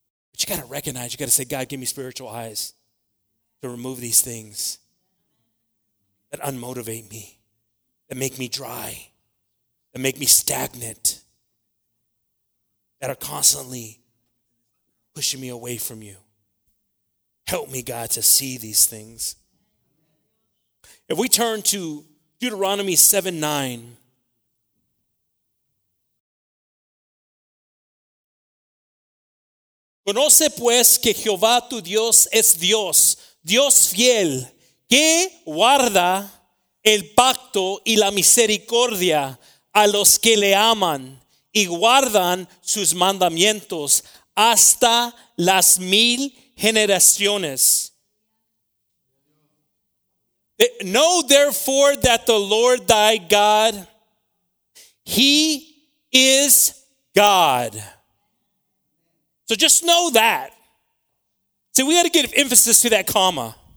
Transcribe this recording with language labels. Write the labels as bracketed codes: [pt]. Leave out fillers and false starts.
[en] But you got to recognize, you got to say, God, give me spiritual eyes to remove these things that unmotivate me, that make me dry, that make me stagnant, that are constantly pushing me away from you. Help me, God, to see these things. If we turn to Deuteronomy 7:9, [es] conoce pues que Jehová tu Dios es Dios, Dios fiel, que guarda el pacto y la misericordia a los que le aman y guardan sus mandamientos hasta las mil generaciones. [en] Know therefore that the Lord thy God, he is God. So just know that. See, we got to give emphasis to that comma.